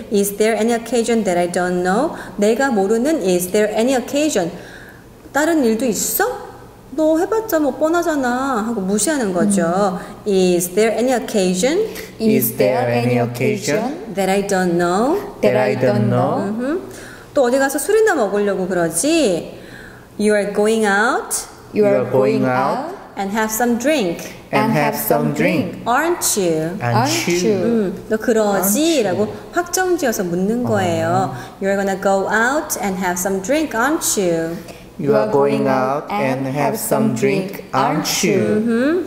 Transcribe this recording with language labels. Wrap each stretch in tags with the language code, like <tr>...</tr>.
<en>Is there any occasion that I don't know?</en> <ko>내가 모르는</ko> <en>is there any occasion?</en> <ko>다른 일도 있어? 너 해봤자 뭐 뻔하잖아 하고 무시하는 거죠.</ko> <en>Is there any occasion? Is there any occasion? That I don't know? That I don't know?</en> <ko>또 어디 가서 술이나 먹으려고 그러지?</ko> <en>You are going out? You are going out? And have some drink. And have some drink. Aren't you? Aren't you?</en> <ko>너 그러지? 라고 확정지어서 묻는 거예요.</ko> <en>You're gonna go out and have some drink, aren't you? You are going out and have some drink, aren't you?</en>